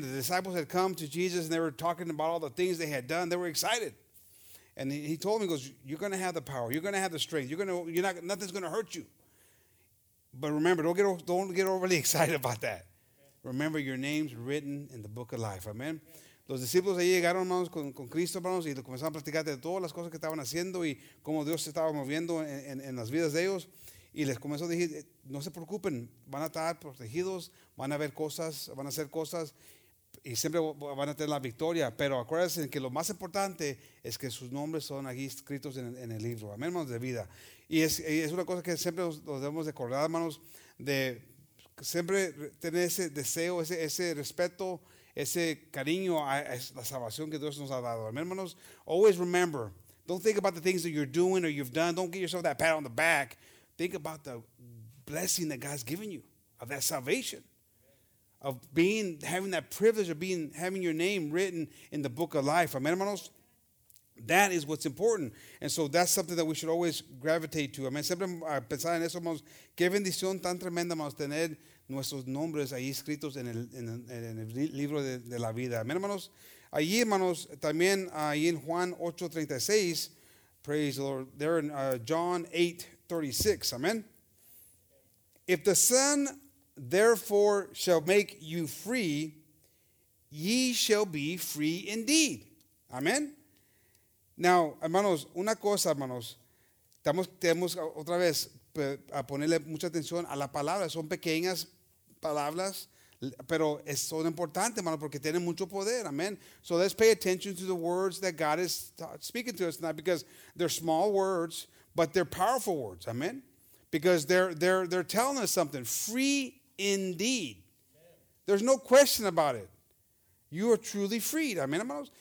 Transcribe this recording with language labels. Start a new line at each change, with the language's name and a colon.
English: The disciples had come to Jesus and they were talking about all the things they had done. They were excited. And he told me, he goes, you're going to have the power. You're going to have the strength. Nothing's going to hurt you. But remember, don't get overly excited about that. Amen. Remember, your name's written in the book of life. Amen.
Spanish: Los discípulos ahí llegaron, hermanos, con Cristo, hermanos, y comenzaron a platicar de todas las cosas que estaban haciendo y cómo Dios se estaba moviendo en las vidas de ellos. Y les comenzó a decir, no se preocupen, van a estar protegidos, van a ver cosas, van a hacer cosas, y siempre van a tener la victoria. Pero acuérdense que lo más importante es que sus nombres son aquí escritos en el libro. Amén, hermanos, de vida. Y es una cosa que siempre nos debemos de acordar, hermanos, de siempre tener ese deseo, ese respeto, ese cariño a la salvación que Dios nos ha dado. Amén, hermanos.
English: Always remember, don't think about the things that you're doing or you've done. Don't give yourself that pat on the back. Think about the blessing that God's given you of that salvation. of being, having that privilege of being, having your name written in the book of life. Amen, hermanos? That is what's important. And so that's something that we should always gravitate to.
Spanish: Amen. Siempre pensar en eso, hermanos. Qué bendición tan tremenda, hermanos, tener nuestros nombres ahí escritos en el libro de la vida. Amen, hermanos. Allí, hermanos, también ahí en Juan 8:36,
English: praise the Lord, there in John 8:36, amen. If the Son, therefore, shall make you free, ye shall be free indeed. Amen.
Spanish: Now, hermanos, una cosa, hermanos, tenemos otra vez a ponerle mucha atención a la palabra. Son pequeñas palabras, pero son importantes, hermanos, porque tienen mucho poder. Amen.
English: So let's pay attention to the words that God is speaking to us tonight, because they're small words, but they're powerful words. Amen. Because they're telling us something. Free indeed. There's no question about it. You are truly freed. Amen, hermanos.